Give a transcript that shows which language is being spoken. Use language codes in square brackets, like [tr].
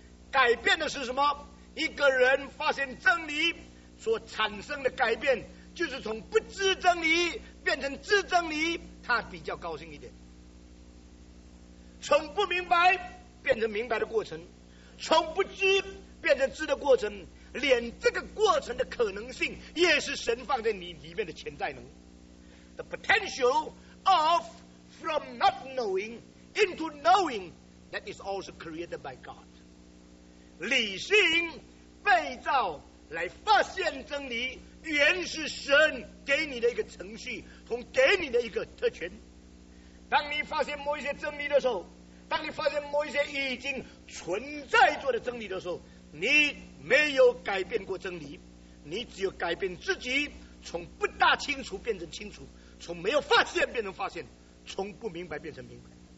[zh] 改变的是什么？一个人发现真理所产生的改变，就是从不知真理变成知真理，他比较高兴一点。从不明白变成明白的过程，从不知变成知的过程，连这个过程的可能性也是神放在你里面的潜在能。 [en] The potential of from not knowing into knowing, that is also created by God. [zh] 理性被造来发现真理，原是神给你的一个程序和给你的一个特权。当你发现某一些真理的时候，当你发现某一些已经存在着的真理的时候，你没有改变过真理，你只有改变自己，从不大清楚变成清楚，从没有发现变成发现，从不明白变成明白。